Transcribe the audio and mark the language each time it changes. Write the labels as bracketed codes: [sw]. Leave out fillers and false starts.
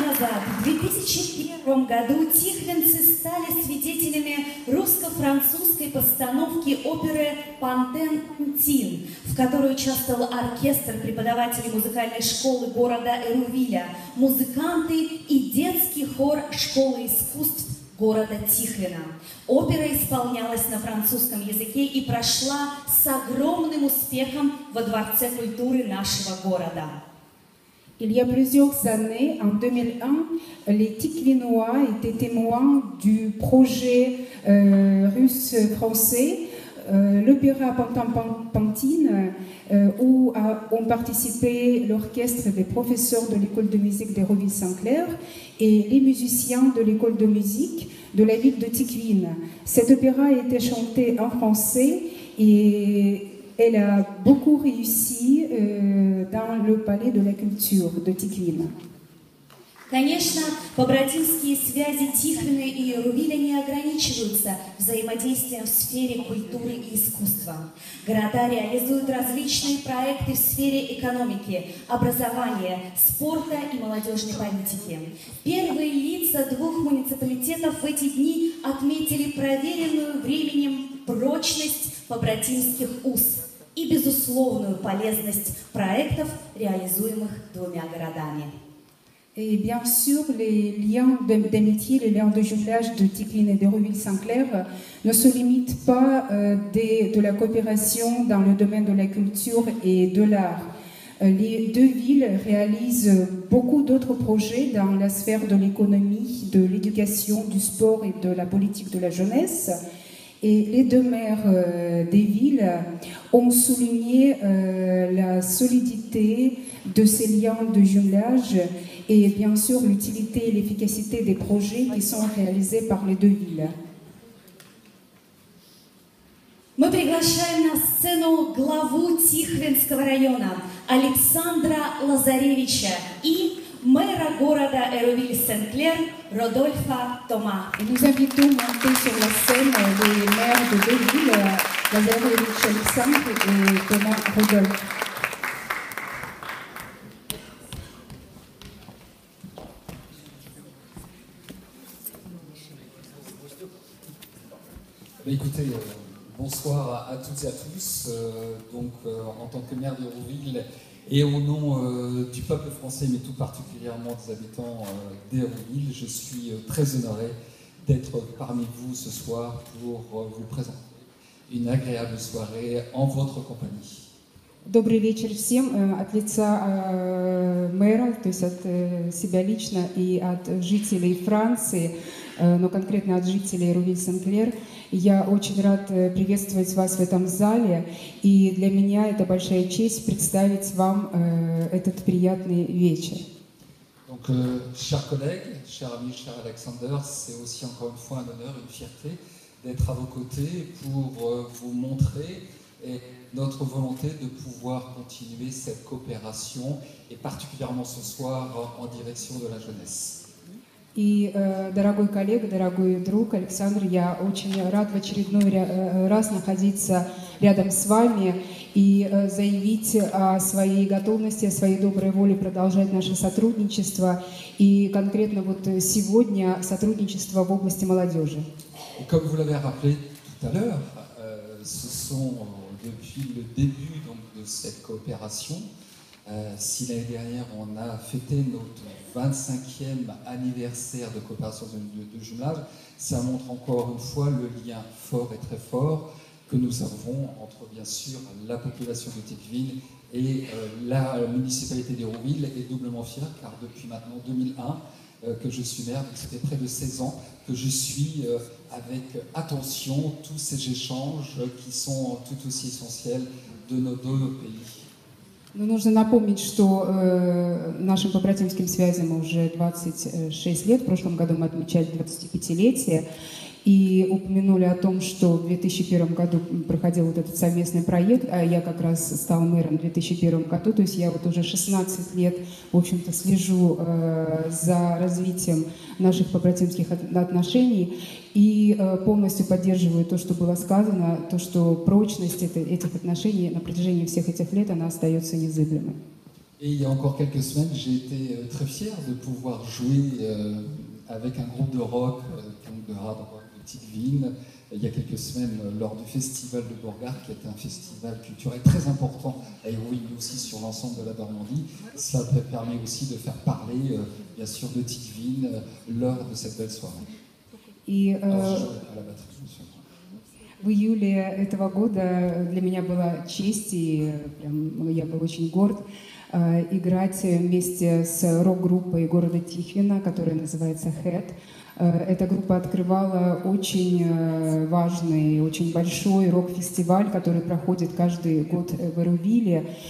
[ru] В этом году тихвинцы стали свидетелями русско-французской постановки оперы «Пантен Кунтин», в которой участвовал оркестр, преподаватели музыкальной школы города Эрувиля, музыканты и детский хор школы искусств города Тихвина. Опера исполнялась на французском языке и прошла с огромным успехом во Дворце культуры нашего города. [fr] Il y a plusieurs années, en 2001, les Tikvinois étaient témoins du projet russe-français, l'opéra Pantin, où ont participé l'orchestre des professeurs de l'école de musique d'Hérouville-Saint-Clair et les musiciens de l'école de musique de la ville de Tikvin. Cet opéra a été chanté en français et elle a beaucoup réussi dans le palais de la culture de Tikvin. [ru] Конечно, побратимские связи Тихвина и Эрувиля не ограничиваются взаимодействием в сфере культуры и искусства. Города реализуют различные проекты в сфере экономики, образования, спорта и молодежной политики. Первые лица двух муниципалитетов в эти дни отметили проверенную временем прочность побратимских уз и безусловную полезность проектов, реализуемых двумя городами. [fr] Et bien sûr, les liens d'amitié, les liens de jumelage de Tikvin et d'Hérouville-Saint-Clair ne se limitent pas de la coopération dans le domaine de la culture et de l'art. Les deux villes réalisent beaucoup d'autres projets dans la sphère de l'économie, de l'éducation, du sport et de la politique de la jeunesse. Et les deux maires des villes ont souligné la solidité de ces liens de jumelage et bien sûr l'utilité et l'efficacité des projets qui sont réalisés par les deux villes. [ru] Мы приглашаем на сцену главу Тихвинского района Александра Лазаревича и мэра города Эрувиль-Сен-Клер Родольфа Тома. [fr] Et nous invitons monter sur la scène les maires de deux villes, Лазаревич Александр et Тома Родольф. Écoutez, bonsoir à toutes et à tous. En tant que maire d'Hérouville et au nom du peuple français, mais tout particulièrement des habitants d'Hérouville, je suis très honoré d'être parmi vous ce soir pour vous présenter une agréable soirée en votre compagnie. [ru] Добрый вечер всем от лица мэра, то есть от себя лично и от жителей Франции, но конкретно от жителей Эрувиль-Сен-Клер. Я очень рад приветствовать вас в этом зале, и для меня это большая честь представить вам этот приятный вечер. [fr] Donc, chers collègues, chers amis, cher Alexander, c'est aussi encore une fois un honneur, une fierté d'être à vos côtés pour vous montrer et notre volonté de pouvoir continuer cette coopération, et particulièrement ce soir en direction de la jeunesse. [ru] И, дорогой коллега, дорогой друг Александр, я очень рад в очередной раз находиться рядом с вами и заявить о своей готовности, о своей доброй воле продолжать наше сотрудничество и конкретно вот сегодня сотрудничество в области молодежи. [fr] Et comme vous l'avez rappelé tout à l'heure, ce sont depuis le début donc, de cette coopération. Si l'année dernière on a fêté notre 25e anniversaire de coopération de jumelage, ça montre encore une fois le lien fort et très fort que nous avons entre bien sûr la population de Tecqueville et la municipalité d'Hérouville est doublement fière car depuis maintenant 2001 que je suis maire, donc c'était près de 16 ans que je suis avec attention tous ces échanges qui sont tout aussi essentiels de nos deux pays. [ru] Ну, нужно напомнить, что нашим побратимским связям уже 26 лет, в прошлом году мы отмечали 25-летие, и упомянули о том, что в 2001 году проходил вот этот совместный проект, а я как раз стала мэром в 2001 году, то есть я вот уже 16 лет, в общем-то, слежу за развитием наших побратимских отношений и полностью поддерживаю то, что было сказано, то, что прочность этих отношений на протяжении всех этих лет, она остается незыблемой. И я [fr] encore quelques semaines, j'ai été très fier de pouvoir jouer avec un groupe de rock, donc de hard rock de Tecqueville, il y a quelques semaines lors du festival de Borgard, qui est un festival culturel très important à Hérouville, mais aussi sur l'ensemble de la Normandie. Ça permet aussi de faire parler, bien sûr, de Tecqueville lors de cette belle soirée. [ru] В июле этого года для меня была честь, и я был очень горд играть вместе с рок-группой города Тихвина, которая называется Head. Эта группа открывала очень важный, очень большой рок-фестиваль, который проходит каждый год в Эрувиле.